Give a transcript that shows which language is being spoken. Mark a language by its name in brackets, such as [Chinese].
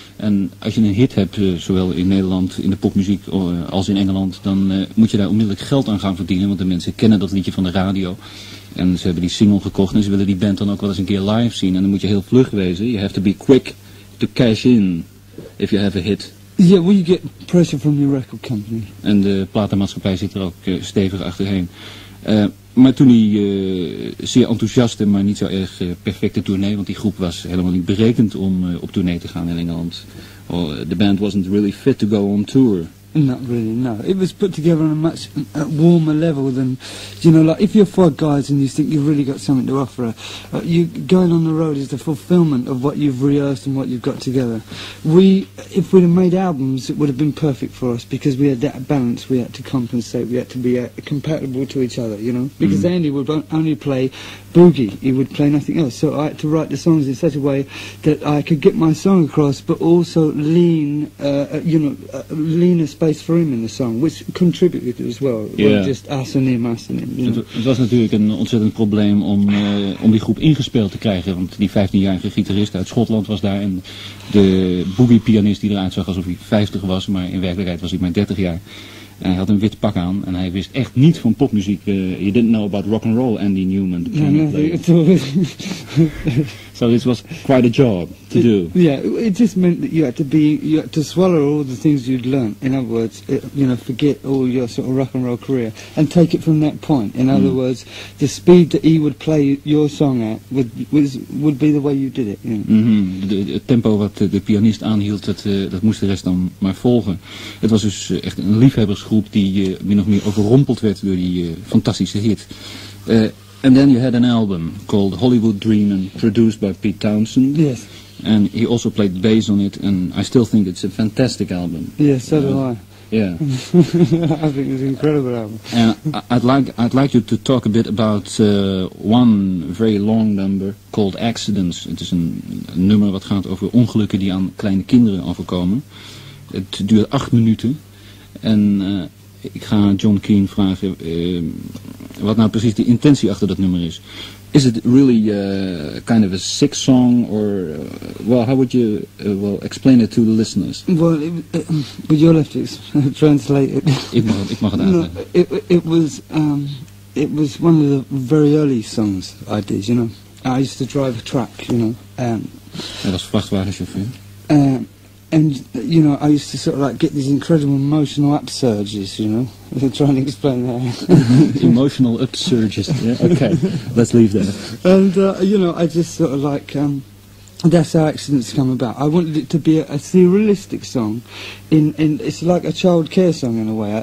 [Dutch] En als je een hit hebt, zowel in Nederland, in de popmuziek als in Engeland, dan moet je daar onmiddellijk geld aan gaan verdienen, want de mensen kennen dat liedje van de radio. En ze hebben die single gekocht en ze willen die band dan ook wel eens een keer live zien. En dan moet je heel vlug wezen. [English] You have to be quick to cash in if you have a hit. Yeah, well, you get pressure from your record company. [Dutch] En de platenmaatschappij zit er ook stevig achterheen. Maar toen hij zeer enthousiaste, maar niet zo erg perfecte tournee, want die groep was helemaal niet berekend om op tournee te gaan in Engeland. [English] Well, the band wasn't really fit to go on tour. Not really, no. It was put together on a much warmer level than, you know, like if you're 4 guys and you think you've really got something to offer, you going on the road is the fulfillment of what you've rehearsed and what you've got together. If we'd have made albums, it would have been perfect for us because we had that balance. We had to compensate. We had to be compatible to each other, you know, because Andy would only play boogie. He would play nothing else. So I had to write the songs in such a way that I could get my song across, but also lean as space for him in the song, which contributed as well. Yeah. Just us and him, us and him. You know? [Dutch] Het was natuurlijk een ontzettend probleem om die groep ingespeeld te krijgen, want die 15-jarige gitarist uit Schotland was daar en de boogie-pianist die eruit zag alsof hij 50 was, maar in werkelijkheid was hij maar 30 jaar. En hij had een wit pak aan en hij wist echt niet van popmuziek. [English] You didn't know about rock and roll, Andy Newman. The player. So this was quite a job to do. Yeah, it just meant that you had to swallow all the things you'd learned. In other words, you know, forget all your sort of rock and roll career and take it from that point. In other words, the speed that he would play your song at would be the way you did it. You know? Mm-hmm. [Dutch] Het tempo wat de pianist aanhield, dat moest de rest dan maar volgen. Het was dus echt een liefhebbersgroep die min of meer overrompeld werd door die fantastische hit. [English] And then you had an album called Hollywood Dream and produced by Pete Townshend. Yes. And he also played bass on it, and I still think it's a fantastic album. Yes, so do I. Yeah. I think it's an incredible album. And I'd like you to talk a bit about one very long number called Accidents. It is [Dutch] een nummer wat gaat over ongelukken die aan kleine kinderen overkomen. Het duurt 8 minuten. En ik ga John Keane vragen wat nou precies de intentie achter dat nummer is. [English] Is it really kind of a sick song, or well, how would you explain it to the listeners? Well, but you'll have to translate it. [Dutch] Ik mag het uitleggen. [English] It was one of the very early songs I did. You know, I used to drive a truck. You know, [Dutch] Hij was vrachtwagenchauffeur. [English] And you know, I used to sort of like get these incredible emotional upsurges, you know. I'm trying to explain that. Emotional upsurges. Yeah. Okay, let's leave that. And you know, I just sort of like that's how Accidents come about. I wanted it to be a surrealistic song. In it's like a child care song in a way.